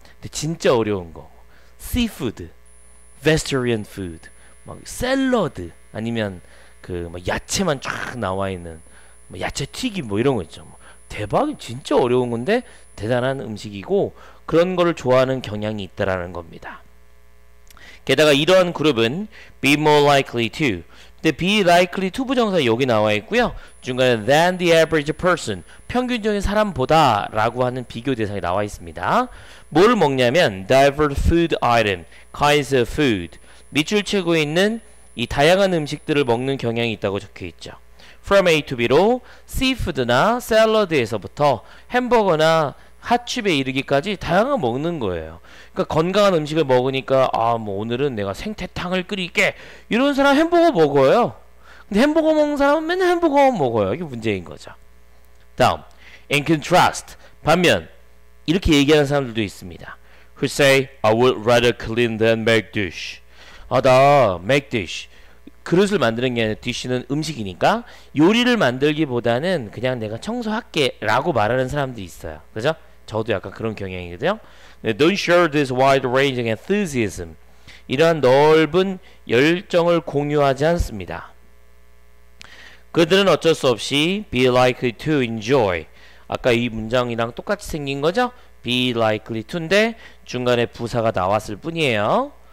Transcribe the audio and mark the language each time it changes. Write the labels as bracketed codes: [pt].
[ko] 근데 진짜 어려운 거. Seafood, vegetarian food, 막 샐러드 아니면 그 막 야채만 쫙 나와 있는 뭐 야채 튀김 뭐 이런 거 있죠. 대박이 진짜 어려운 건데 대단한 음식이고 그런 거를 좋아하는 경향이 있다라는 겁니다. 게다가 이러한 그룹은 [en] be more likely to. [ko] 근데 [en] be likely to [ko] 부정사 여기 나와 있고요. 중간에 [en] than the average person, [ko] 평균적인 사람보다 라고 하는 비교 대상이 나와 있습니다. 뭘 먹냐면 [en] diverse food item, kinds of food, [ko] 밑줄 치고 있는 이 다양한 음식들을 먹는 경향이 있다고 적혀 있죠. [en] From A to B [ko] 로 seafood나 샐러드에서부터 햄버거나 핫칩에 이르기까지 다양한 먹는 거예요. 그러니까 건강한 음식을 먹으니까 아 뭐 오늘은 내가 생태탕을 끓일게 이런 사람 햄버거 먹어요. 근데 햄버거 먹는 사람은 맨날 햄버거만 먹어요. 이게 문제인 거죠. 다음, [en] in contrast, [ko] 반면 이렇게 얘기하는 사람들도 있습니다. [en] Who say I would rather clean than make dish. [ko] 아, 나 [en] make dish. [ko] 그릇을 만드는 게 아니라 디쉬는 음식이니까 요리를 만들기보다는 그냥 내가 청소할게 라고 말하는 사람들이 있어요. 그죠? 저도 약간 그런 경향이거든요. [en] Don't share this wide-ranging enthusiasm. [ko] 이러한 넓은 열정을 공유하지 않습니다. 그들은 어쩔 수 없이 [en] be likely to enjoy. [ko] 아까 이 문장이랑 똑같이 생긴 거죠? [en] be likely to [ko] 인데 중간에 부사가 나왔을 뿐이에요.